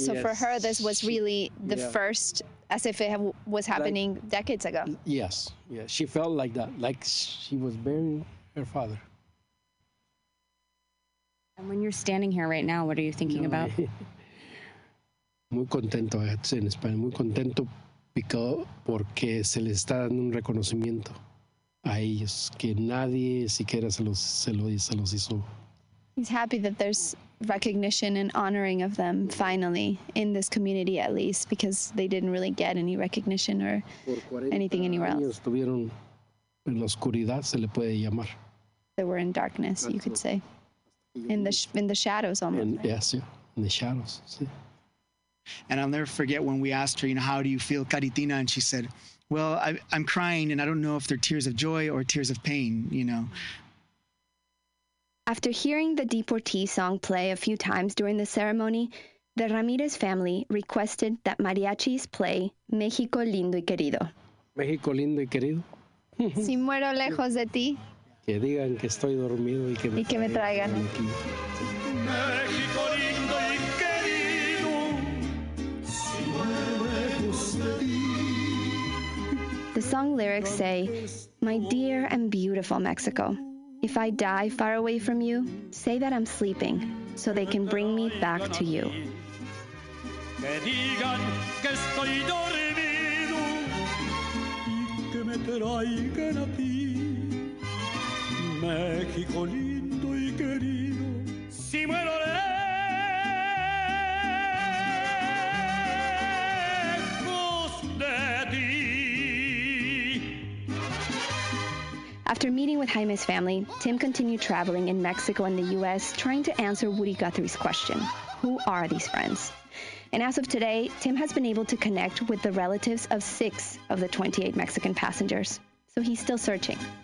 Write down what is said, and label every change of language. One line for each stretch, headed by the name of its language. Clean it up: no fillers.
English: So yes, for her, this was really the first, as if it was happening like, decades ago. Yes, she felt like that, like she was burying her father. And when you're standing here right now, what are you thinking about?
Spanish: Muy contento,
English: it's in Spanish.
Spanish: Muy contento porque se les está dando un reconocimiento a ellos que nadie siquiera se los hizo.
English: He's happy that there's recognition and honoring of them finally in this community, at least, because they didn't really get any recognition or anything anywhere else.
Spanish: Estuvieron en la oscuridad, se le puede llamar.
English: They were in darkness, you could say. In the shadows, almost. In the shadows. Sí. And I'll never forget when we asked her, you know, how do you feel, Caritina? And she said, "Well, I'm crying, and I don't know if they're tears of joy or tears of pain." You know. After hearing the deportee song play a few times during the ceremony, the Ramirez family requested that mariachis play "México Lindo y Querido."
Spanish: México lindo y querido. Si muero lejos de ti. Que digan que estoy dormido y que me traigan. México lindo y querido, si mueres de ti.
English: The song lyrics say, "My dear and beautiful Mexico, if I die far away from you, say that I'm sleeping, so they can bring me back to you."
Spanish: Que digan que estoy dormido y que me traigan a ti. México lindo y querido, si muero lejos de ti.
English: After meeting with Jaime's family, Tim continued traveling in Mexico and the U.S. trying to answer Woody Guthrie's question, who are these friends? And as of today, Tim has been able to connect with the relatives of 6 of the 28 Mexican passengers, so he's still searching.